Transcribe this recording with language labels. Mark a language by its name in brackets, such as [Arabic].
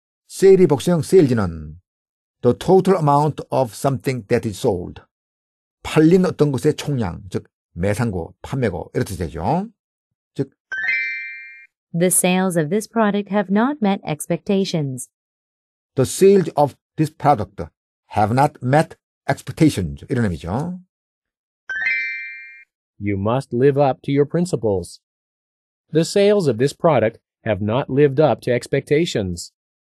[English] Sales의 [Korean] 복수형 [English] sales는 the total amount of something that is sold. [Korean] 팔린 어떤 것의 총량, 즉 매상고, 판매고 이렇게 되죠. 즉 [English] The sales of this product have not met expectations. The sales of this product have not met expectations. [Korean] 이런 의미죠. [English] You must live up to your principles. The sales of this product have not lived up to expectations.